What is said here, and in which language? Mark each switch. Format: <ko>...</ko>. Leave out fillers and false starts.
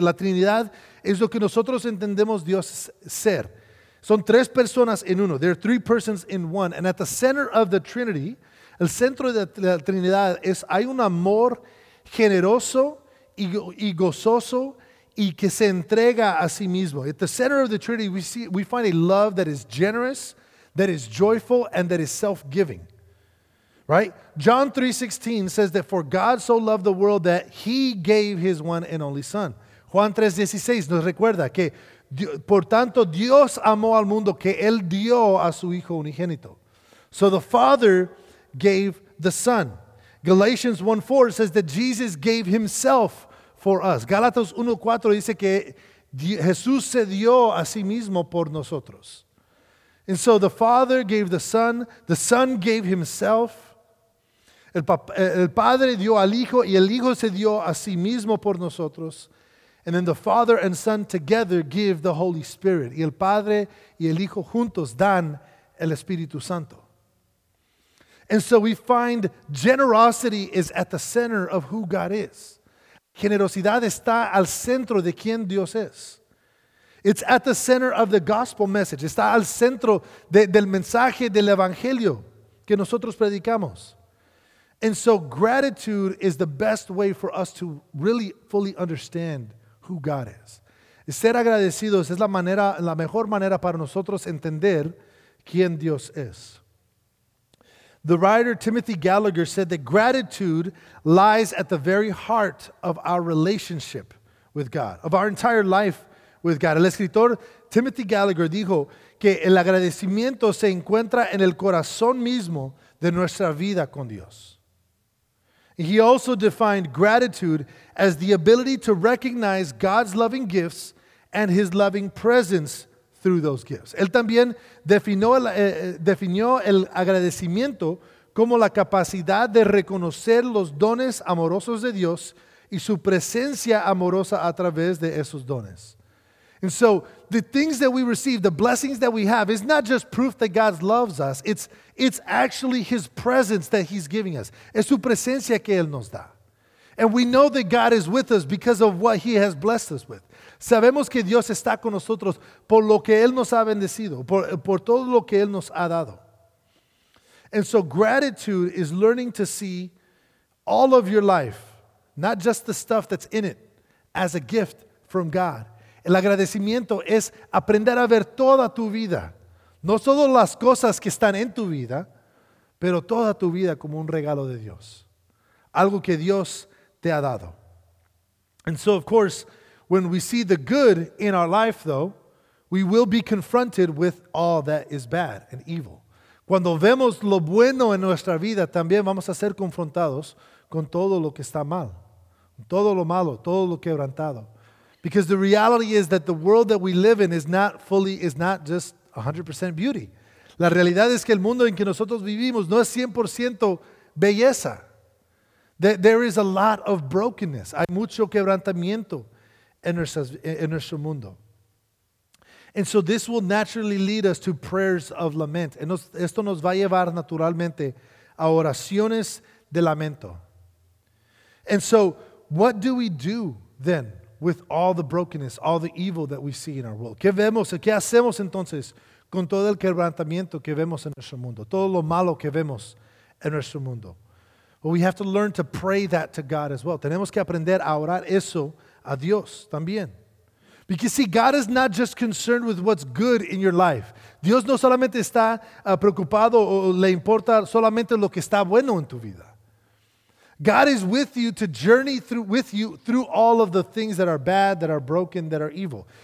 <es>La Trinidad es lo que nosotros entendemos Dios ser. Son tres personas en uno.</es> <en>They're three persons in one. And at the center of the Trinity,</en> <es>el centro de la Trinidad es hay un amor generoso y gozoso y que se entrega a sí mismo.</es> <en>At the center of the Trinity, we find a love that is generous, that is joyful, and that is self-giving. Right? John 3:16 says that for God so loved the world that he gave his one and only son.</en> <es>Juan 3:16 nos recuerda que por tanto Dios amó al mundo que él dio a su hijo unigénito.</es> <en>So the Father gave the Son. Galatians 1:4 says that Jesus gave himself for us.</en> <es>Gálatas 1:4 dice que Jesús se dio a sí mismo por nosotros.</es> <en>And so the Father gave the Son gave himself.</en> <es>El Padre dio al Hijo y el Hijo se dio a sí mismo por nosotros.</es> <en>And then the Father and Son together give the Holy Spirit.</en> <es>Y el Padre y el Hijo juntos dan el Espíritu Santo.</es> <en>And so we find generosity is at the center of who God is.</en> <es>Generosidad está al centro de quién Dios es.</es> <en>It's at the center of the gospel message.</en> <es>Está al centro del mensaje del evangelio que nosotros predicamos.</es> <en>And so gratitude is the best way for us to really fully understand who God is.</en> <es>Ser agradecidos es la mejor manera para nosotros entender quién Dios es.</es> <en>The writer Timothy Gallagher said that gratitude lies at the very heart of our relationship with God, of our entire life with God.</en> <es>El escritor Timothy Gallagher dijo que el agradecimiento se encuentra en el corazón mismo de nuestra vida con Dios.</es> <en>He also defined gratitude as the ability to recognize God's loving gifts and his loving presence through those gifts.</en> <es>Él también definió el agradecimiento como la capacidad de reconocer los dones amorosos de Dios y su presencia amorosa a través de esos dones.</es> <en>And so the things that we receive, the blessings that we have, is not just proof that God loves us. It's actually his presence that he's giving us.</en> <es>Es su presencia que él nos da.</es> <en>And we know that God is with us because of what he has blessed us with.</en> <es>Sabemos que Dios está con nosotros por lo que él nos ha bendecido, por todo lo que él nos ha dado.</es> <en>And so gratitude is learning to see all of your life, not just the stuff that's in it, as a gift from God.</en> <es>El agradecimiento es aprender a ver toda tu vida, no solo las cosas que están en tu vida, pero toda tu vida como un regalo de Dios, algo que Dios te ha dado.</es> <en>And so, of course, when we see the good in our life, though, we will be confronted with all that is bad and evil.</en> <es>Cuando vemos lo bueno en nuestra vida, también vamos a ser confrontados con todo lo que está mal, todo lo malo, todo lo quebrantado.</es> <en>Because the reality is that the world that we live in is not just 100% beauty.</en> <es>La realidad es que el mundo en que nosotros vivimos no es 100% belleza.</es> <en>There is a lot of brokenness.</en> <es>Hay mucho quebrantamiento en nuestro mundo.</es> <en>And so this will naturally lead us to prayers of lament.</en> <es>Esto nos va a llevar naturalmente a oraciones de lamento.</es> <en>And so what do we do then with all the brokenness, all the evil that we see in our world?</en> <es>¿Qué vemos? ¿Qué hacemos entonces con todo el quebrantamiento que vemos en nuestro mundo? Todo lo malo que vemos en nuestro mundo.</es> <en>Well, we have to learn to pray that to God as well.</en> <es>Tenemos que aprender a orar eso a Dios también.</es> <en>Because see, God is not just concerned with what's good in your life.</en> <es>Dios no solamente está preocupado o le importa solamente lo que está bueno en tu vida.</es> <en>God is with you to journey through with you through all of the things that are bad, that are broken, that are evil.</en>